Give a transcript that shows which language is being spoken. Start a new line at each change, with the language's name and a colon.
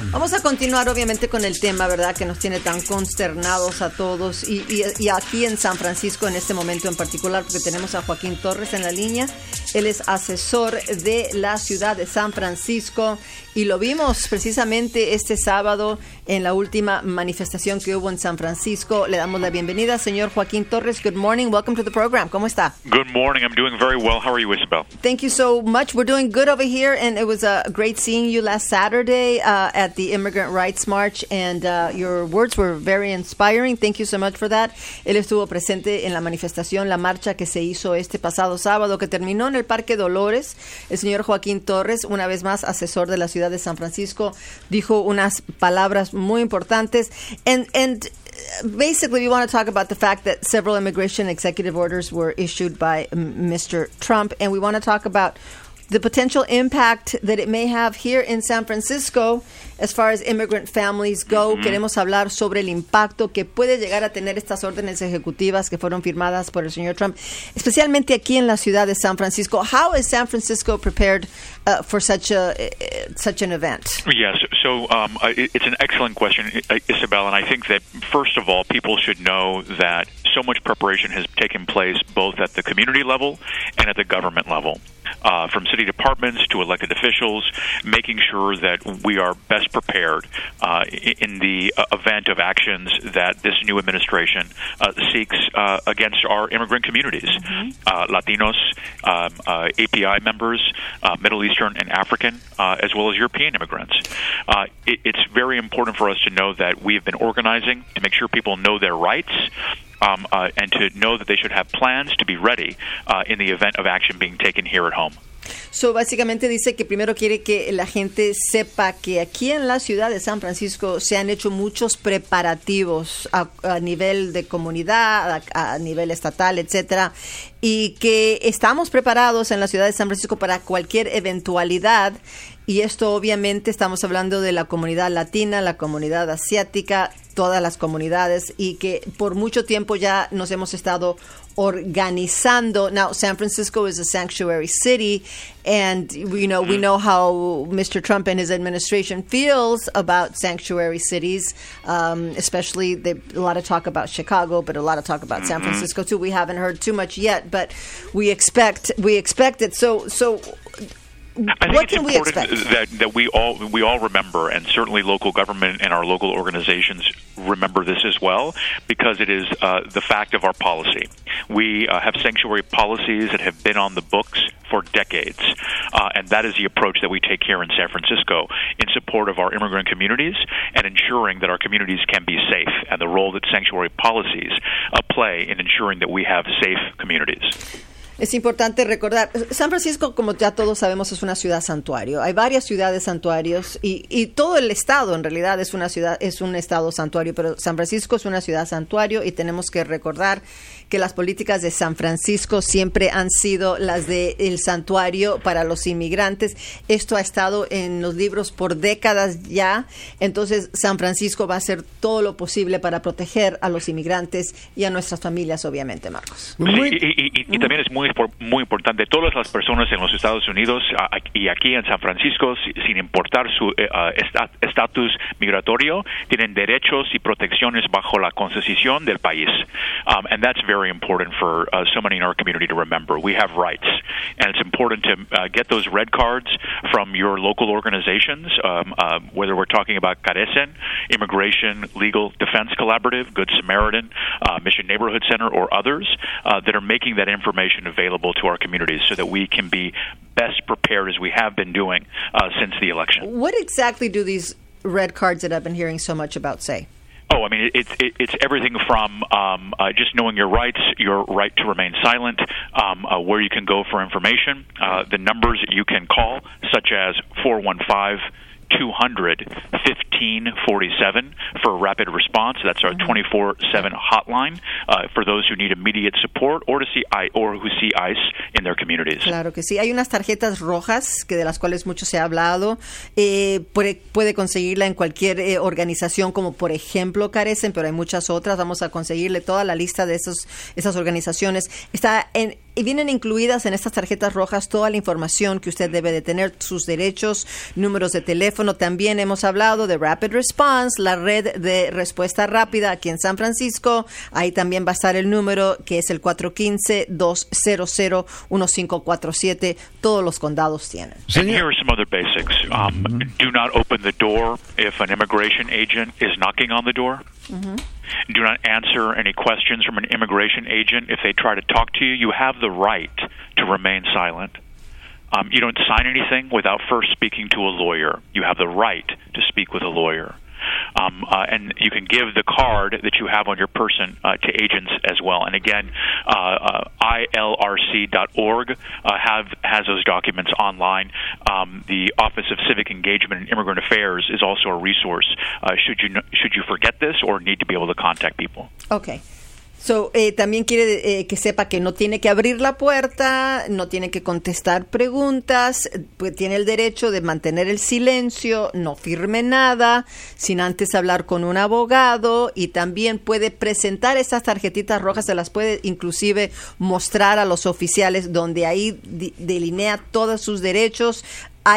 Spanish: Vamos a continuar obviamente con el tema, ¿verdad?, que nos tiene tan consternados a todos y aquí en San Francisco en este momento en particular, porque tenemos a Joaquín Torres en la línea. Él es asesor de la ciudad de San Francisco y lo vimos precisamente este sábado en la última manifestación que hubo en San Francisco. Le damos la bienvenida, señor Joaquín Torres.
English: Good morning. Welcome to the program.
Spanish: ¿Cómo está?
English: Good morning. I'm doing very well. How are you, Isabel? Thank you so much. We're doing good over here. here, and it was great seeing you last Saturday at the Immigrant Rights March, and your words were very inspiring. Thank you so much for that.
Spanish: Él estuvo presente en la manifestación, la marcha que se hizo este pasado sábado, que terminó en el Parque Dolores. El señor Joaquín Torres, una vez más asesor de la ciudad de San Francisco, dijo unas palabras muy importantes.
English: And basically, we want to talk about the fact that several immigration executive orders were issued by Mr. Trump, and we want to talk about the potential impact that it may have here in San Francisco as far as immigrant families go. Mm-hmm.
Spanish: Queremos hablar sobre el impacto que puede llegar a tener estas órdenes ejecutivas que fueron firmadas por el señor Trump, especialmente aquí en la ciudad de San Francisco.
English: How is San Francisco prepared for such an event? Yes, so it's an excellent question, Isabel, and I think that, first of all, people should know that so much preparation has taken place both at the community level and at the government level. From city departments to elected officials, making sure that we are best prepared in the event of actions that this new administration seeks against our immigrant communities, mm-hmm. Latinos, API members, Middle Eastern and African, as well as European immigrants. It's very important for us to know that we have been organizing to make sure people know their rights, and to know that they should have plans to be ready in the event of action being taken here at home.
Spanish: So, básicamente dice que primero quiere que la gente sepa que aquí en la ciudad de San Francisco se han hecho muchos preparativos a nivel de comunidad, a nivel estatal, etcétera, y que estamos preparados en la ciudad de San Francisco para cualquier eventualidad. Y esto, obviamente, estamos hablando de la comunidad latina, la comunidad asiática, todas las comunidades, y que por mucho tiempo ya nos hemos estado organizando.
English: Now, San Francisco is a sanctuary city, and we know how Mr. Trump and his administration feels about sanctuary cities, especially a lot of talk about Chicago, but a lot of talk about San Francisco too. We haven't heard too much yet, but we expect it. So. I think what it's important that we all remember, and certainly local government and our local organizations remember this as well, because it is the fact of our policy. We have sanctuary policies that have been on the books for decades, and that is the approach that we take here in San Francisco in support of our immigrant communities and ensuring that our communities can be safe, and the role that sanctuary policies play in ensuring that we have safe communities.
Spanish: Es importante recordar, San Francisco, como ya todos sabemos, es una ciudad santuario. Hay varias ciudades santuarios y todo el estado, en realidad, es un estado santuario, pero San Francisco es una ciudad santuario, y tenemos que recordar que las políticas de San Francisco siempre han sido las del santuario para los inmigrantes. Esto ha estado en los libros por décadas ya. Entonces, San Francisco va a hacer todo lo posible para proteger a los inmigrantes y a nuestras familias, obviamente, Marcos. Y también es muy importante, todas las personas en los Estados Unidos y aquí en San Francisco, sin importar su estatus migratorio, tienen derechos y protecciones bajo la constitución del país.
English: And that's very important for so many in our community to remember. We have rights, and it's important to get those red cards from your local organizations, whether we're talking about CARECEN, Immigration Legal Defense Collaborative, Good Samaritan, Mission Neighborhood Center, or others that are making that information available to our communities so that we can be best prepared, as we have been doing since the election. What exactly do these red cards that I've been hearing so much about say? Oh, I mean, it's everything from just knowing your rights, your right to remain silent, where you can go for information, the numbers that you can call, such as 415-1547 for rapid response. That's our 24/7 hotline for those who need immediate support or who see ICE in their communities.
Spanish: Claro que sí. Hay unas tarjetas rojas que de las cuales mucho se ha hablado. Puede conseguirla en cualquier organización, como por ejemplo CARECEN, pero hay muchas otras. Vamos a conseguirle toda la lista de esas organizaciones. Y vienen incluidas en estas tarjetas rojas toda la información que usted debe de tener, sus derechos, números de teléfono. También hemos hablado de Rapid Response, la red de respuesta rápida aquí en San Francisco. Ahí también va a estar el número, que es el 415-200-1547. Todos los condados tienen.
English: And here are some other basics. Do not open the door if an immigration agent is knocking on the door. Mm-hmm. Do not answer any questions from an immigration agent if they try to talk to you. You have the right to remain silent. You don't sign anything without first speaking to a lawyer. You have the right to speak with a lawyer. And you can give the card that you have on your person to agents as well. And again, ILRC.org has those documents online. The Office of Civic Engagement and Immigrant Affairs is also a resource should you forget this or need to be able to contact people. Okay.
Spanish: So, también quiere que sepa que no tiene que abrir la puerta, no tiene que contestar preguntas, pues tiene el derecho de mantener el silencio, no firme nada, sin antes hablar con un abogado, y también puede presentar esas tarjetitas rojas, se las puede inclusive mostrar a los oficiales, donde ahí delinea todos sus derechos.